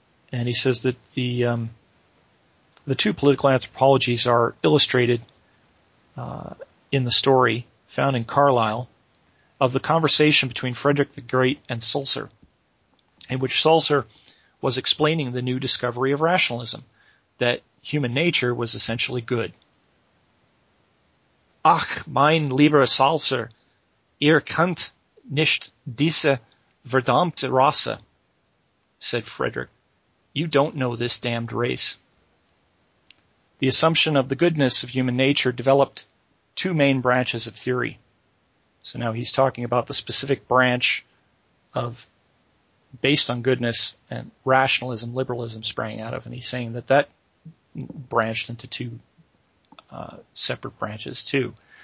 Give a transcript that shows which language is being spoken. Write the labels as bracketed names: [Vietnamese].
[English] And he says that the two political anthropologies are illustrated in the story found in Carlyle of the conversation between Frederick the Great and Sulzer, in which Sulzer was explaining the new discovery of rationalism, that human nature was essentially good. [German] Ach, mein lieber Sulzer, ihr könnt nicht diese verdammte Rasse, [English] said Frederick. You don't know this damned race. The assumption of the goodness of human nature developed two main branches of theory. So now he's talking about the specific branch of based on goodness and rationalism, liberalism sprang out of, and he's saying that that branched into two separate branches too.